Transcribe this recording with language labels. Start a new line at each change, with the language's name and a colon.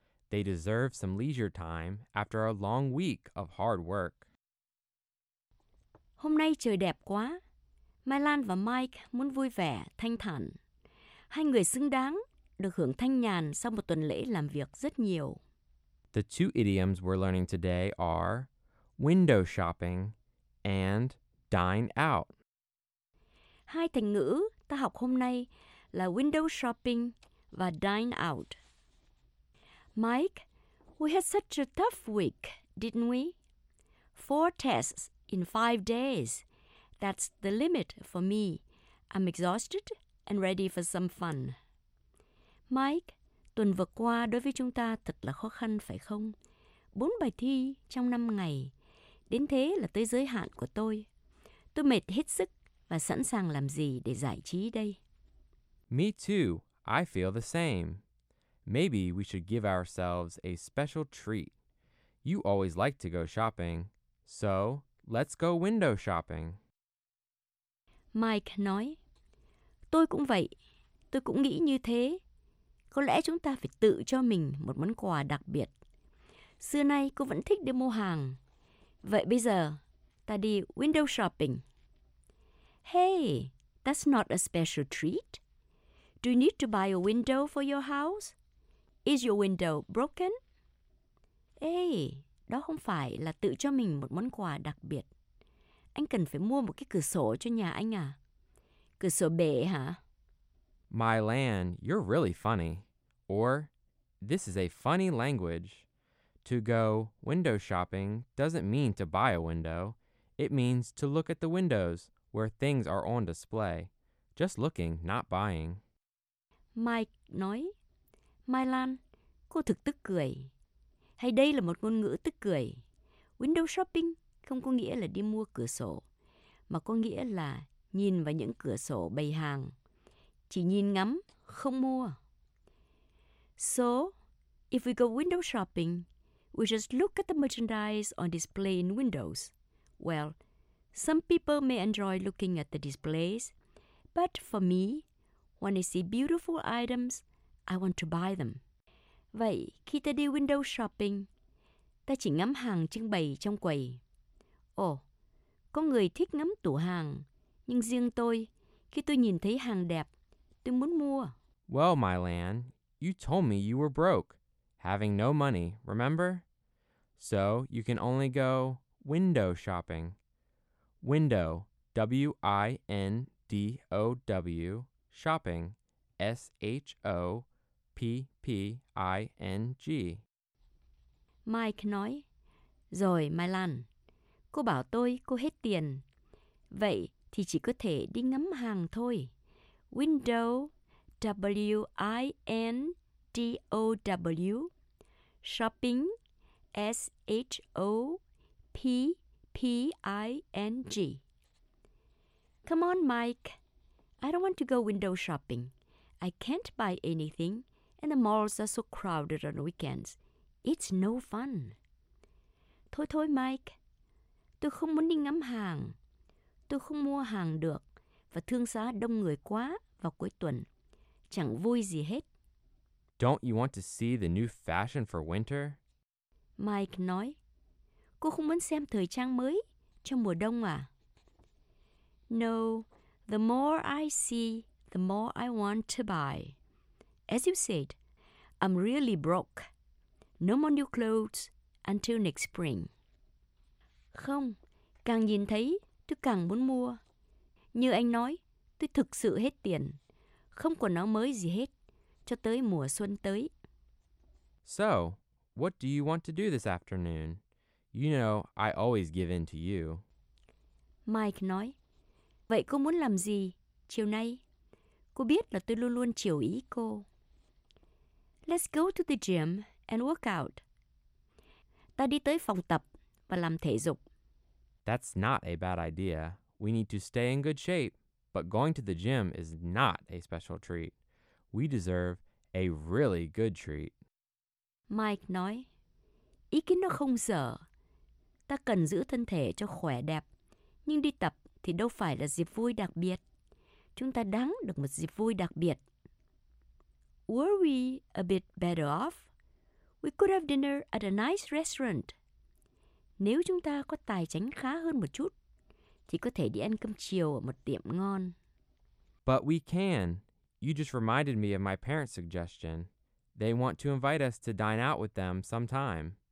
English: They deserve some leisure time after a long week of hard work.
Vietnamese: Hôm nay trời đẹp quá. Mai Lan và Mike muốn vui vẻ, thanh thản. Hai người xứng đáng được hưởng thanh nhàn sau một tuần lễ làm việc rất nhiều.
English: The two idioms we're learning today are window shopping and dine out.
Vietnamese: Hai thành ngữ ta học hôm nay là window shopping và dine out.
English: Mike, we had such a tough week, didn't we? 4 tests in 5 days. That's the limit for me. I'm exhausted and ready for some fun.
Vietnamese: Mike, tuần vừa qua đối với chúng ta thật là khó khăn phải không? 4 bài thi trong 5 ngày. Đến thế là tới giới hạn của tôi. Tôi mệt hết sức và sẵn sàng làm gì để giải trí đây?
English: Me too. I feel the same. Maybe we should give ourselves a special treat. You always like to go shopping. So, let's go window shopping.
Vietnamese: Mike nói, tôi cũng vậy, tôi cũng nghĩ như thế. Có lẽ chúng ta phải tự cho mình một món quà đặc biệt. Xưa nay cô vẫn thích đi mua hàng. Vậy bây giờ, ta đi window shopping.
English: Hey, that's not a special treat. Do you need to buy a window for your house? Is your window broken?
Vietnamese: Hey, đó không phải là tự cho mình một món quà đặc biệt. Anh cần phải mua một cái cửa sổ cho nhà anh à? Cửa sổ bể hả?
English: My Lan, you're really funny. Or, this is a funny language. To go window shopping doesn't mean to buy a window. It means to look at the windows where things are on display, just looking, not buying.
Vietnamese: Mike nói, Mai Lan, cô thực tức cười. Hay đây là một ngôn ngữ tức cười. Window shopping không có nghĩa là đi mua cửa sổ, mà có nghĩa là nhìn vào những cửa sổ bày hàng. Chỉ nhìn ngắm, không mua.
English: So, if we go window shopping, we just look at the merchandise on display in windows. Well, some people may enjoy looking at the displays, but for me, when I see beautiful items, I want to buy them.
Vietnamese: Vậy, khi ta đi window shopping, ta chỉ ngắm hàng trưng bày trong quầy. Oh, có người thích ngắm tủ hàng, nhưng riêng tôi, khi tôi nhìn thấy hàng đẹp, tôi muốn mua.
English: Well, my Lan, you told me you were broke, having no money, remember? So, you can only go window shopping. Window, W-I-N-D-O-W, shopping, S-H-O-P-P-I-N-G.
Vietnamese: Mike nói, rồi Mai Lan, cô bảo tôi cô hết tiền. Vậy thì chỉ có thể đi ngắm hàng thôi.
English: Window, W-I-N-D-O-W, shopping, S-H-O-P-P-I-N-G. Come on, Mike. I don't want to go window shopping. I can't buy anything, and the malls are so crowded on weekends. It's no fun.
Vietnamese: Thôi thôi,
English: Mike.
Vietnamese: Tôi không muốn đi ngắm hàng. Tôi không mua hàng được, và thương xá đông người quá vào cuối tuần. Chẳng vui gì hết.
English: Don't you want to see the new fashion for winter?
Vietnamese: Mike nói, cô không muốn xem thời trang mới cho mùa đông à?
English: No, the more I see, the more I want to buy. As you said, I'm really broke. No more new clothes until next spring.
Vietnamese: Không, càng nhìn thấy, tôi càng muốn mua. Như anh nói, tôi thực sự hết tiền. Không quần áo mới gì hết, cho tới mùa xuân tới.
English: So, what do you want to do this afternoon? You know, I always give in to you.
Vietnamese: Mike nói, vậy cô muốn làm gì chiều nay? Cô biết là tôi luôn luôn chiều ý cô.
English: Let's go to the gym and work out.
Vietnamese: Ta đi tới phòng tập và làm thể dục.
English: That's not a bad idea. We need to stay in good shape. But going to the gym is not a special treat. We deserve a really good treat.
Vietnamese: Mike nói, ý kiến nó không dở. Ta cần giữ thân thể cho khỏe đẹp, nhưng đi tập thì đâu phải là dịp vui đặc biệt. Chúng ta đáng được một dịp vui đặc biệt.
English: Were we a bit better off? We could have dinner at a nice restaurant.
Vietnamese: Nếu chúng ta có tài chính khá hơn một chút, thì có thể đi ăn cơm chiều ở một tiệm ngon.
English: But we can. You just reminded me of my parents' suggestion. They want to invite us to dine out with them sometime.